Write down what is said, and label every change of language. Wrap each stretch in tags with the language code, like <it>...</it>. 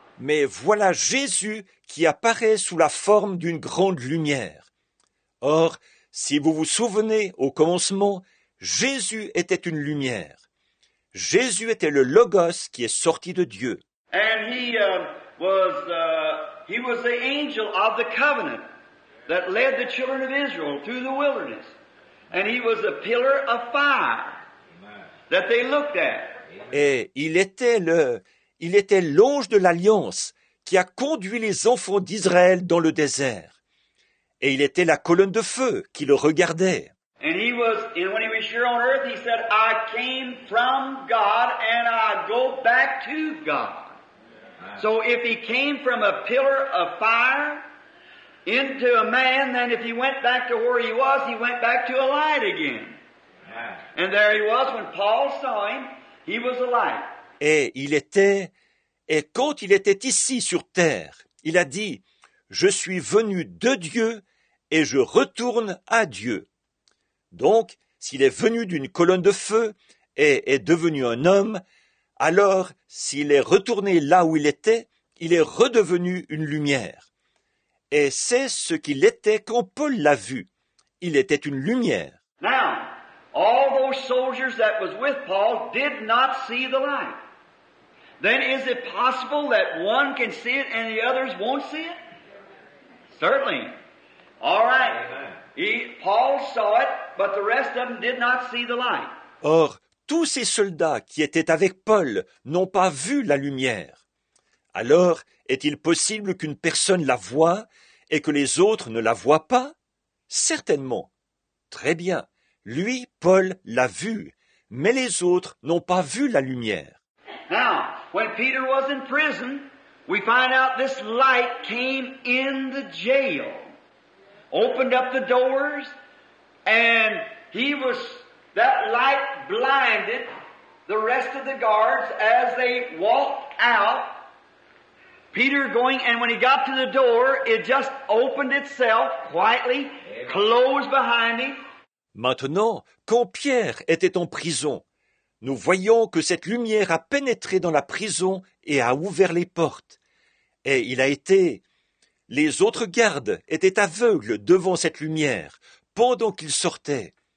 <fr>Mais voilà Jésus qui apparaît sous la forme d'une grande lumière. Or, si vous vous souvenez, au commencement, Jésus était une lumière. Jésus était le Logos qui est sorti de Dieu.</fr> <en>And he was the angel of the covenant that led the children of Israel through the wilderness. And he was a pillar of fire that they looked at.</en> <fr>Et il était l'ange de l'Alliance qui a conduit les enfants d'Israël dans le désert. Et il était la colonne de feu qui le regardait.</fr> <en>And he was, and when he Jewish here on earth, he said, I came from God and I go back to God. So if he came from a pillar of fire into a man, then if he went back to where he went back to a light again. And there he was when Paul saw him, he was a light.</en> <fr>Et il était, et quand il était ici sur terre, il a dit, je suis venu de Dieu et je retourne à Dieu. Donc, s'il est venu d'une colonne de feu et est devenu un homme, alors, s'il est retourné là où il était, il est redevenu une lumière. Et c'est ce qu'il était quand Paul l'a vu. Il était une lumière.</fr> <en>Now, all those soldiers that was with Paul did not see the light. Then is it possible that one can see it and the others won't see it? Certainly. All right. Paul saw it, but the rest of them did not see the light.</en> <fr>Or, tous ces soldats qui étaient avec Paul n'ont pas vu la lumière. Alors, est-il possible qu'une personne la voie et que les autres ne la voient pas? Certainement. Très bien. Lui, Paul, l'a vu, mais les autres n'ont pas vu la lumière.</fr> <en>Now, when Peter was in prison, we find out this light came in the jail, opened up the doors, and he was... That light blinded the rest of the guards as they walked out. Peter going, and when he got to the door, it just opened itself quietly, closed behind him.</en> <fr>Maintenant, quand Pierre était en prison, nous voyons que cette lumière a pénétré dans la prison et a ouvert les portes. Et il a été... Les autres gardes étaient aveugles devant cette lumière pendant qu'ils sortaient.</fr>